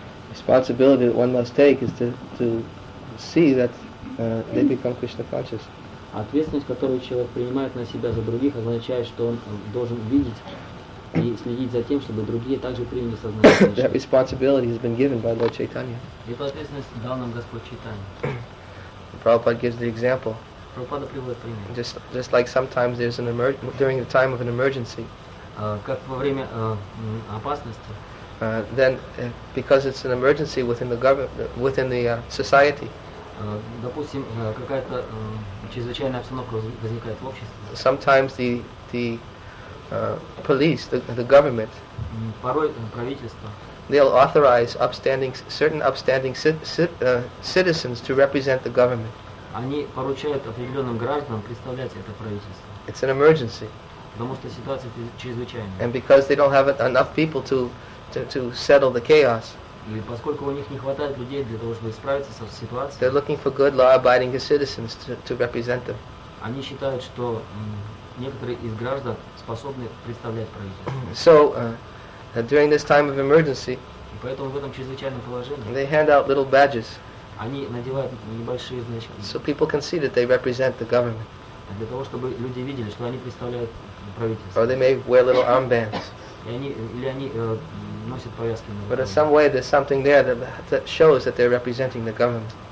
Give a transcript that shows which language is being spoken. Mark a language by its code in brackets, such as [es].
[en] Responsibility that one must take is to see that they become Krishna conscious. [ru] Ответственность, которую человек принимает на себя за других, означает, что он должен видеть и следить за тем, чтобы другие также приняли сознание. [en] That responsibility has been given by Lord Chaitanya. [ru] Эту ответственность дал нам Господь Чайтанья. [en] Prabhupada gives the example. [ru] Prabhupada приводит пример. [en] Just like sometimes there's an during the time of an emergency. [ru] Как во время опасности. [en] Then, because it's an emergency within the government, within the society. [ru] Допустим, какая-то чрезвычайная обстановка возникает в обществе. [en] Sometimes the police, the government. [ru] Порой правительство. [en] They'll authorize certain upstanding citizens to represent the government. [ru] Они поручают определенным гражданам представлять это правительство. [en] It's an emergency. [ru] Потому что ситуация чрезвычайная. [en] And because they don't have enough people to settle the chaos. [ru] И поскольку у них не хватает людей для того, чтобы справиться со ситуацией, [en] they're looking for good law-abiding citizens to represent them. [ru] Они считают, что некоторые из граждан способны представлять правительство. [en] So, during this time of emergency, [ru] и поэтому в этом чрезвычайном положении, [en] they hand out little badges. [ru] Они надевают небольшие значки. [en] So people can see that they represent the government. [ru] Для того, чтобы люди видели, что они представляют правительство. [en] Or they may wear little armbands. But in some way there's something there that shows that they're representing the government.